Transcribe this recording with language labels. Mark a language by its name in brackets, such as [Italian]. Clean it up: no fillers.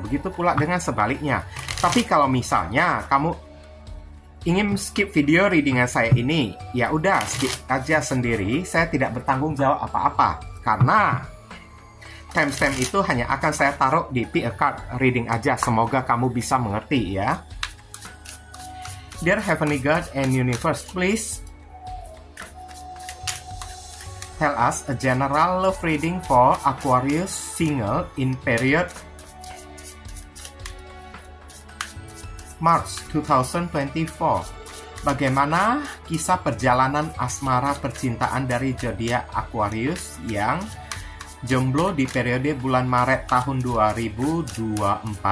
[Indonesian] Begitu pula dengan sebaliknya. Tapi kalau misalnya kamu ingin skip video readingan saya ini, ya udah skip aja sendiri. Saya tidak bertanggung jawab apa-apa karena timestamp itu hanya akan saya taruh di pick a card reading aja. Semoga kamu bisa mengerti ya. [English] Dear Heavenly God and Universe, please tell us a general love reading for Aquarius single in period March 2024. [Indonesian] Bagaimana kisah perjalanan asmara percintaan dari zodiak Aquarius yang jomblo di periode bulan Maret tahun 2024?